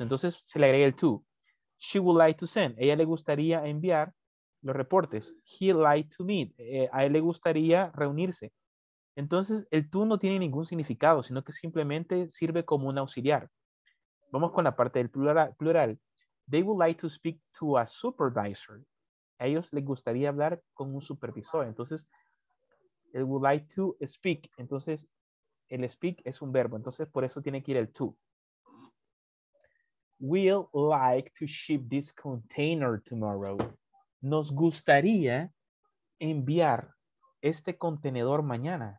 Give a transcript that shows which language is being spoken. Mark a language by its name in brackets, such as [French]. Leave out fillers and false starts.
[Spanish] Entonces se le agrega el to. [English] She would like to send. [Spanish] Ella le gustaría enviar los reportes. [English] He'd like to meet. [Spanish] A él le gustaría reunirse. Entonces el to no tiene ningún significado, sino que simplemente sirve como un auxiliar. Vamos con la parte del plural. [English] They would like to speak to a supervisor. [Spanish] A ellos les gustaría hablar con un supervisor. Entonces, [English] they would like to speak. [Spanish] Entonces, el speak es un verbo. Entonces, por eso tiene que ir el to. [English] We'll like to ship this container tomorrow. [Spanish] Nos gustaría enviar este contenedor mañana.